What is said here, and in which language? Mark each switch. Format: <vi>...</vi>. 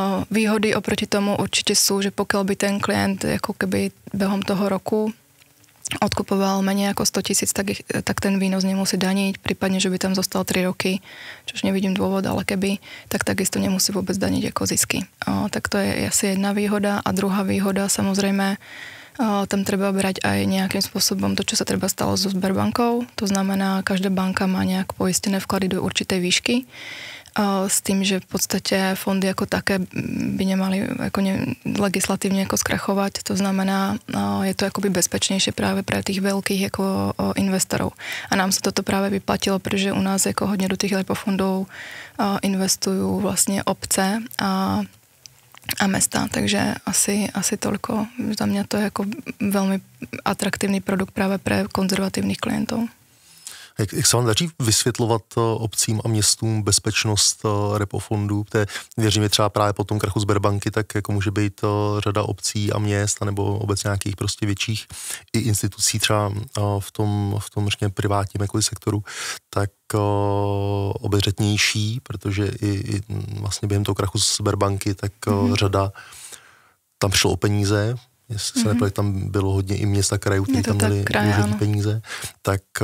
<cs>Výhody oproti tomu určitě jsou, že pokud by ten klient jako keby během toho roku odkupoval méně jako 100 tisíc, tak ten výnos nemusí danit, případně, že by tam zostal 3 roky, což nevidím důvod, ale</cs> <sk>keby, tak takisto</sk> <cs>nemusí vůbec danit jako zisky.</cs> <sk>Tak to je asi jedna výhoda a druhá výhoda</sk> <cs>samozřejmě,</cs> <sk>tam treba brať aj nejakým spôsobom to, čo sa treba stalo so Sberbankou. To znamená, každá banka má nejak poistené vklady do určitej výšky. S tým, že v podstate fondy ako také by nemali ako legislatívne ako skrachovať. To znamená, je to akoby bezpečnejšie práve pre tých veľkých ako investorov. A nám sa toto práve vyplatilo, pretože u nás ako hodne do tých repo fondov investujú vlastne obce a mesta, takže asi toľko. Za mňa to je ako veľmi atraktívny produkt práve pre konzervatívnych klientov.</sk> <cs>Jak se vám daří vysvětlovat obcím a městům bezpečnost repo fondů? Věřím, že třeba právě po tom krachu Sberbanky, tak jako může být řada obcí a měst, nebo obec nějakých prostě větších i institucí třeba v tom řekněme, privátním jako sektoru, tak obezřetnější, protože i vlastně během toho krachu Sberbanky, tak řada tam přišlo o peníze, jestli se nepovedl, tam bylo hodně i města krajů, kteří tam měli důležitý peníze, tak</cs>